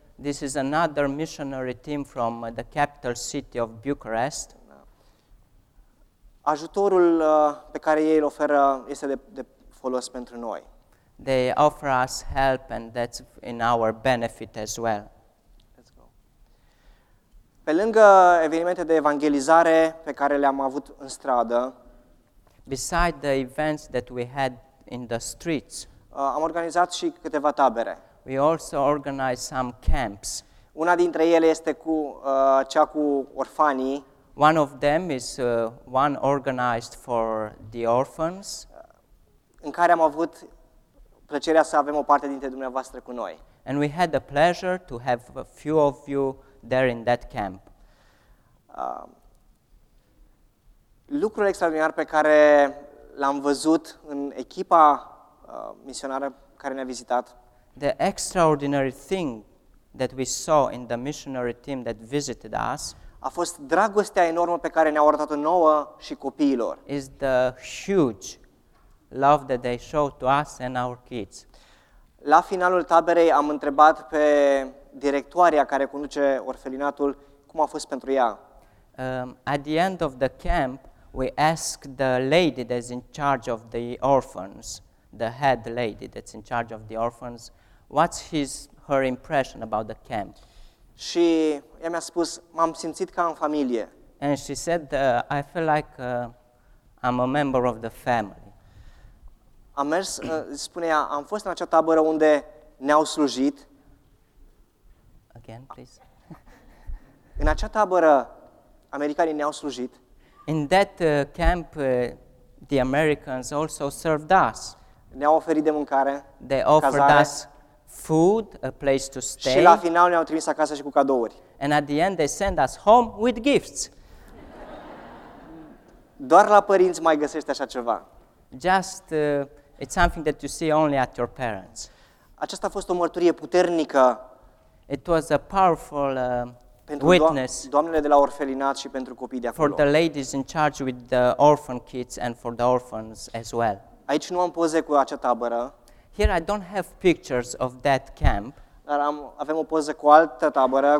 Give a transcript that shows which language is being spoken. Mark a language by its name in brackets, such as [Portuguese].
[English] This is another missionary team from the capital city of Bucharest. [Romanian] Ajutorul pe care ei îl oferă este de folos pentru noi. [English] They offer us help and that's in our benefit as well. Let's go. [Romanian] Pe lângă evenimente de evangelizare pe care le-am avut în stradă, [English] beside the events that we had in the streets, [Romanian] am organizat și câteva tabere. [English] We also organized some camps. [Romanian] Una dintre ele este cu cea cu orfanii. [English] One of them is one organized for the orphans. [Romanian] În care am avut plăcerea să avem o parte dintre dumneavoastră cu noi. [English] And we had the pleasure to have a few of you there in that camp. [Romanian] Lucrul extraordinar pe care l-am văzut în echipa misionară care ne-a vizitat. [English] The extraordinary thing that we saw in the missionary team that visited us. [Romanian] A fost dragostea enormă pe care ne-au arătat-o nouă și copiilor. [English] Is the huge love that they showed to us and our kids. [Romanian] La finalul taberei am întrebat pe directoarea care conduce orfelinatul cum a fost pentru ea. [English] At the end of the camp, we asked the lady that's in charge of the orphans, the head lady that's in charge of the orphans, what's her impression about the camp. [Romanian] Și ea mi-a spus, m-am simțit ca în familie. [English] And she said, I feel like I'm a member of the family. [Romanian] Am mers, spune ea, am fost în acea tabără unde ne-au slujit. [English] Again, please. [Romanian] În acea tabără, americanii ne-au slujit. [English] In that camp, the Americans also served us. [Romanian] Ne-au oferit de mâncare, [English] they offered [Romanian] cazare. [English] Us food, a place to stay. [Romanian] Și la final ne-au trimis acasă și cu cadouri. [English] And at the end they send us home with gifts. [Romanian] Doar la părinți mai găsești așa ceva. [English] Just it's something that you see only at your parents. [Romanian] Aceasta a fost o mărturie puternică. [English] It was a powerful [Romanian] pentru [English] witness. [Romanian] Doamnele de la orfelinat și pentru copiii de acolo. [English] For the ladies in charge with the orphan kids and for the orphans as well. [Romanian] Aici nu am poze cu acea tabără. [English] Here I don't have pictures of that camp. [Romanian] Dar avem o poză cu altă tabără.